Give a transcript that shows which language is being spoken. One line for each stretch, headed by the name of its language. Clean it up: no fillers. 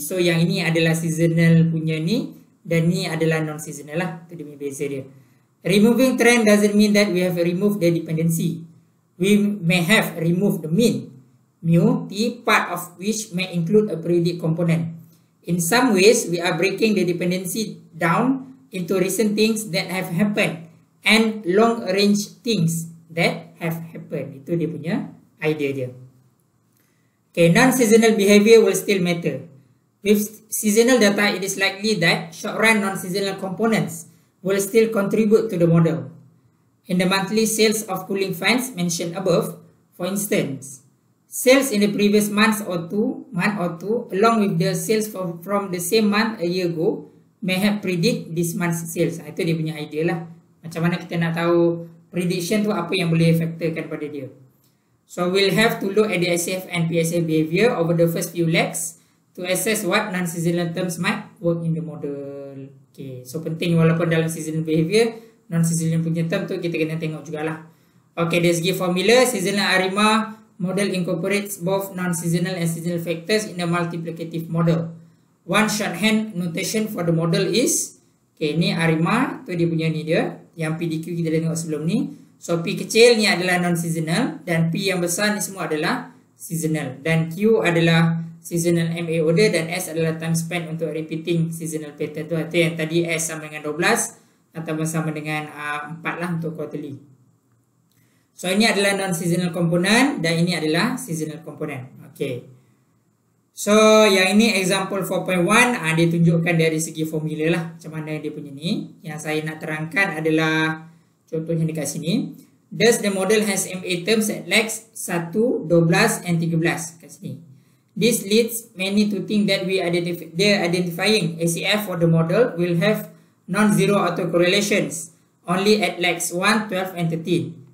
Malay: So yang ini adalah seasonal punya ni, dan ni adalah non-seasonal lah. Itu dia punya beza dia.
English: Removing trend doesn't mean that we have removed the dependency. We may have removed the mean, mu, t, part of which may include a periodic component. In some ways, we are breaking the dependency down into recent things that have happened and long-range things that have happened.
Malay: Itu dia punya idea dia.
English: Okay, non-seasonal behavior will still matter. With seasonal data, it is likely that short-run non-seasonal components will still contribute to the model. In the monthly sales of cooling fans mentioned above, for instance, sales in the previous month or two, along with the sales from the same month a year ago, may have predict this month's sales.
Malay: Itu dia punya idea lah. Macam mana kita nak tahu prediction tu apa yang boleh factorkan pada dia.
English: So we'll have to look at the SAF and PSA behavior over the first few legs to assess what non-seasonal terms might work in the model.
Malay: Okay, so penting walaupun dalam seasonal behavior, non-seasonal punya term tu kita kena tengok jugalah.
English: Okay,
Malay: dari segi formula,
English: seasonal ARIMA model incorporates both non-seasonal and seasonal factors in a multiplicative model. One shorthand notation for the model is,
Malay: okay, ni ARIMA, tu dia punya ni dia, yang PDQ kita dah tengok sebelum ni. So, P kecil ni adalah non-seasonal dan P yang besar ni semua adalah seasonal. Dan Q adalah seasonal MA order dan S adalah time spent untuk repeating seasonal pattern tu. Itu yang tadi S sama dengan 12 atau sama dengan 4 lah untuk quarterly. So, ini adalah non-seasonal component dan ini adalah seasonal component. Okay. So, yang ini example 4.1, dia tunjukkan dari segi formula lah macam mana dia punya ni. Yang saya nak terangkan adalah contohnya dekat sini.
English: Does the model has MA terms at legs 1, 12 and 13
Malay: kat sini.
English: This leads many to think that we identifying ACF for the model will have non-zero autocorrelations only at legs 1, 12 and 13.